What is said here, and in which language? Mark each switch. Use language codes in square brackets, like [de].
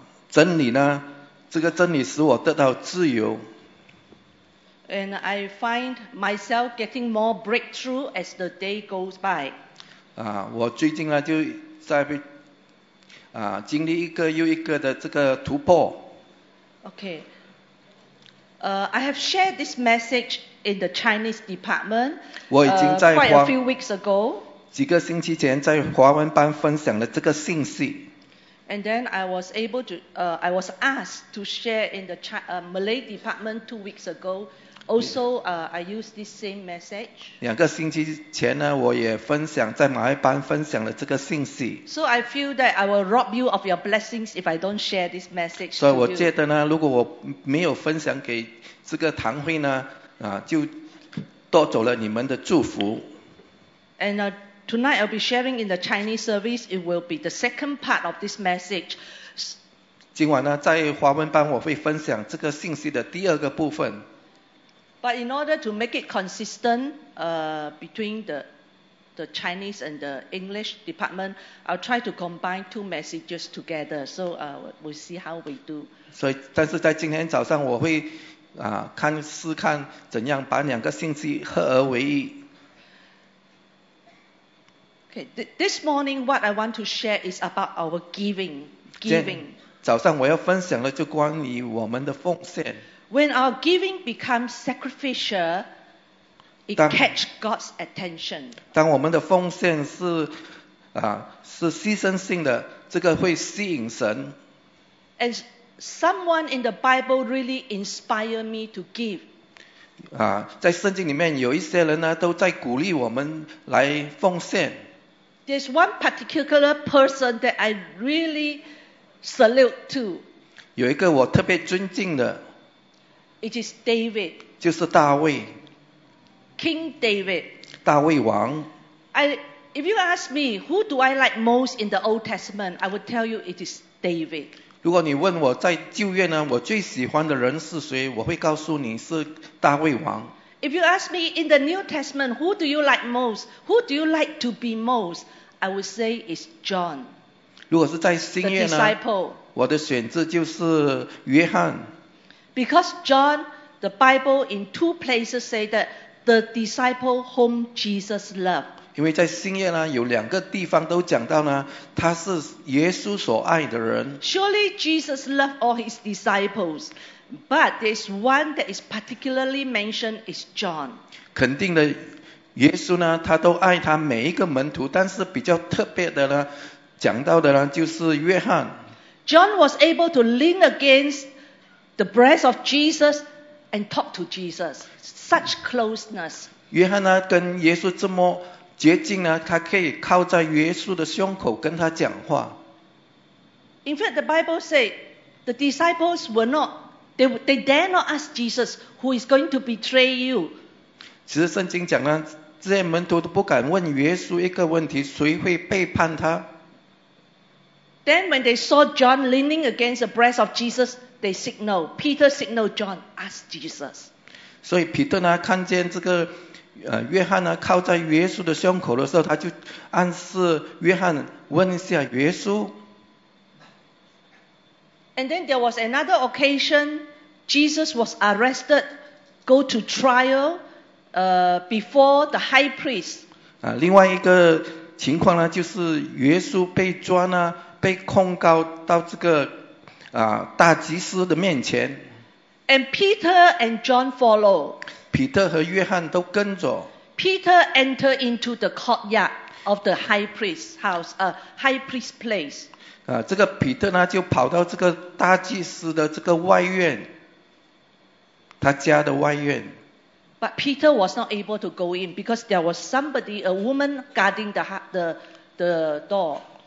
[zh] 真理呢，这个真理使我得到自由。 [en] And I find myself getting more breakthrough as the day goes by. [zh] 我最近呢就在被经历一个又一个的这个突破。 [en] Okay. I have shared this message in the Chinese department. [zh] 我已经在 [en] quite a few weeks ago. [zh] 几个星期前在华文班分享了这个信息。 [en] And then I was able to, I was asked to share in the Malay department 2 weeks ago. Also, I used this same message. [zh] 两个星期前呢，我也分享在马来班分享了这个信息。 [en] So I feel that I will rob you of your blessings if I don't share this message. [zh] 所以我觉得呢，如果我没有分享给这个堂会呢，就夺走了你们的祝福。 [en] And tonight I'll be sharing in the Chinese service. It will be the second part of this message. [zh] 今晚呢，在华文班我会分享这个信息的第二个部分。 [en] But in order to make it consistent between the Chinese and the English department, I'll try to combine two messages together. So we'll see how we do. [zh] 所以，但是在今天早上，我会看试看怎样把两个信息合而为一。 [en] Okay, this morning what I want to share is about our giving. [zh] 早上我要分享的就关于我们的奉献。 [en] When our giving becomes sacrificial, it catches God's attention. [zh] 当我们的奉献是是牺牲性的，这个会吸引神。 [en] And someone in the Bible really inspired me to give. [zh] 在圣经里面有一些人呢，都在鼓励我们来奉献。 [en] There's one particular person that I really salute to. [zh] 有一个我特别尊敬的。 [en] It is David. [zh] 就是大卫。 [en] King David. [zh] 大卫王。 [en] If you ask me, who do I like most in the Old Testament, I would tell you it is David. [zh] 如果你问我在旧约呢，我最喜欢的人是谁，我会告诉你是大卫王。 [en] If you ask me in the New Testament, who do you like most, who do you like to be most, I would say it's John. [zh] 如果是在新约呢， [en] the disciple. [zh] 我的选择就是约翰。 [en] Because John, the Bible in two places say that the disciple whom Jesus loved. [zh] 因为在新约呢，有两个地方都讲到呢，他是耶稣所爱的人。 [en] Surely Jesus loved all his disciples, but there's one that is particularly mentioned is John. [zh] 肯定的，耶稣呢，他都爱他每一个门徒，但是比较特别的呢，讲到的呢就是约翰。 [en] John was able to lean against the breath of Jesus and talk to Jesus. Such closeness. [zh] 约翰呢跟耶稣这么接近呢，他可以靠在耶稣的胸口跟他讲话。 [en] In fact, the Bible says the disciples were not, they dare not ask Jesus, who is going to betray you. [zh] 其实圣经讲呢，这些门徒都不敢问耶稣一个问题，谁会背叛他？ [en] Then when they saw John leaning against the breath of Jesus,They signal, Peter signal John, ask Jesus. [zh] 所以彼得呢，看见这个约翰呢靠在耶稣的胸口的时候，他就暗示约翰问一下耶稣。 [en] And then there was another occasion, Jesus was arrested, go to trial, before the high priest. [zh] 另外一个情况呢，就是耶稣被抓呢，被控告到这个。大祭司的面前。 [en] And Peter and John follow. [zh] 彼得和约翰都跟着。 [en] Peter enter into the courtyard of the high priest's house, high priest's place. [zh] 这个彼得呢就跑到这个大祭司的这个外院，他家的外院。 [en] But Peter was not able to go in because there was somebody, a woman guarding the door.